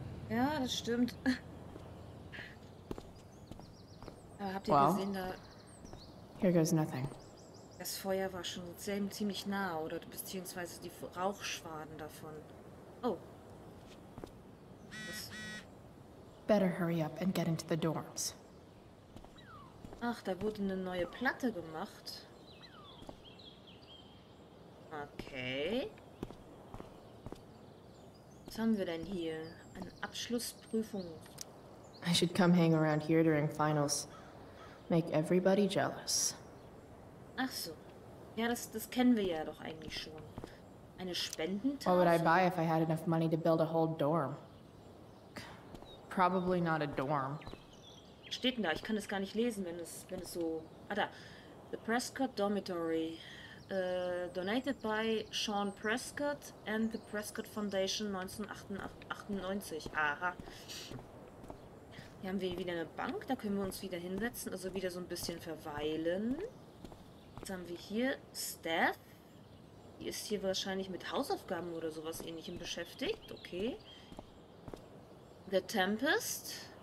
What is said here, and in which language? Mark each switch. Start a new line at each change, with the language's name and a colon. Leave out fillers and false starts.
German: Ja, das stimmt. Aber habt ihr gesehen, da...
English: Here goes nothing.
German: Das Feuer war schon ziemlich nah, oder beziehungsweise die Rauchschwaden davon. Oh. Das...
English: Better hurry up and get into the dorms.
German: Ach, da wurde eine neue Platte gemacht. Okay. Was haben wir denn hier? Eine Abschlussprüfung.
English: I should come hang around here during finals. Make everybody jealous.
German: Ach so. Ja, das kennen wir ja doch eigentlich schon. Eine Spendentasche.
English: What would I buy if I had enough money to build a whole dorm? Probably not a dorm.
German: Was steht denn da? Ich kann das gar nicht lesen, wenn es so...
English: Ah, da. The Prescott Dormitory. Donated by Sean Prescott and the Prescott Foundation 1998.
German: Aha. Hier haben wir wieder eine Bank, da können wir uns wieder hinsetzen, also wieder so ein bisschen verweilen. Jetzt haben wir hier Steph. Die ist hier wahrscheinlich mit Hausaufgaben oder sowas ähnlichem beschäftigt.
English: Okay. The Tempest.